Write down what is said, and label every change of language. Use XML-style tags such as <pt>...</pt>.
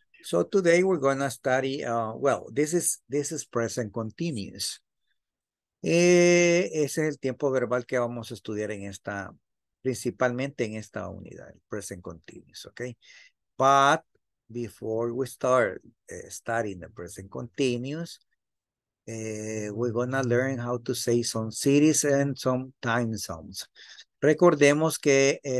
<en>So today we're going to study, well, this is present continuous.</en> <es>Ese es el tiempo verbal que vamos a estudiar en esta, principalmente en esta unidad, el present continuous, ¿ok?</es> <en>But before we start studying the present continuous, we're going to learn how to say some cities and some time zones.</en> <es>Recordemos que</es>